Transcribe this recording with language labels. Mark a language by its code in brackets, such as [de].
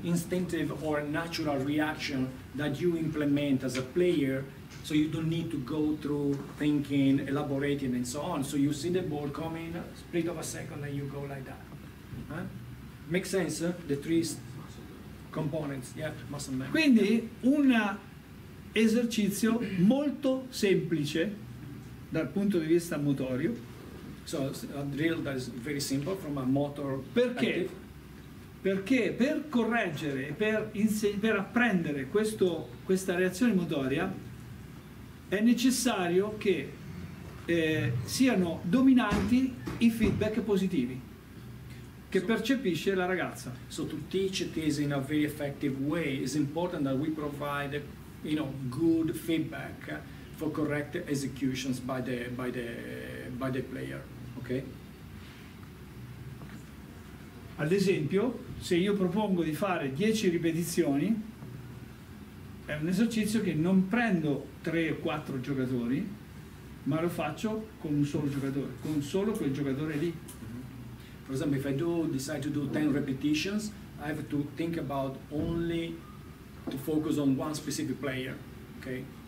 [en] Instinctive or natural reaction that you implement as a player. So you don't need to go through thinking, elaborating and so on. So you see the ball coming, split of a second, and you go like that. Huh? Make sense? The three components. Yeah, muscle memory. [it] Quindi un esercizio molto semplice dal punto di vista motorio. [en] So a drill that is very simple from a motor. [it] Perché? Active. Perché per correggere, per apprendere questa reazione motoria, è necessario che siano dominanti i feedback positivi che percepisce la ragazza. [en] So to teach this in a very effective way is important that we provide, you know, good feedback for correct executions by the player, okay? [it] Ad esempio, se io propongo di fare 10 ripetizioni, è un esercizio che non prendo 3 o 4 giocatori, ma lo faccio con un solo giocatore, con solo quel giocatore lì. [en] For example, if I decide to do 10 repetitions, I have to think about only to focus on one specific player, okay?